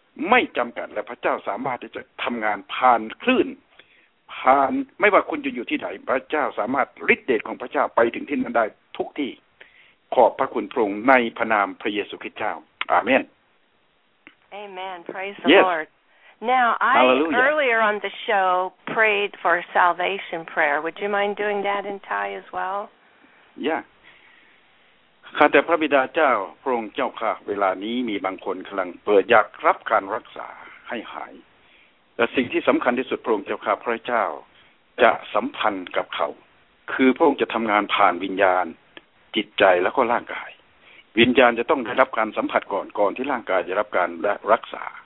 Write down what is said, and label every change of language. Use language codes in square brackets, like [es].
[th] ไม่จำกัดและพระเจ้าสามารถจะทำงานผ่านคลื่นผ่านไม่ว่าคุณจะอยู่ที่ไหนพระเจ้าสามารถฤทธิ์เดชของพระเจ้าไปถึงที่นั้นได้ทุกที่ขอบพระคุณพระองค์ในพระนามพระเยซูคริสต์เจ้าอาเมน [en] Amen praise the Lord Now, I, Hallelujah. Earlier on the show, prayed for a salvation prayer. Would you mind doing that in Thai as well? Yeah. [th] ข้าแต่พระบิดาเจ้าพระองค์เจ้าข้าเวลานี้มีบางคนกำลังเปิดอยากรับการรักษาให้หายแต่สิ่งที่สำคัญที่สุดพระองค์เจ้าข้าพระเจ้าจะสัมพันธ์กับเขาคือพระองค์จะทำงานผ่านวิญญาณจิตใจและก็ร่างกายวิญญาณจะต้องได้รับการสัมผัสก่อนที่ร่างกายจะรับการรักษา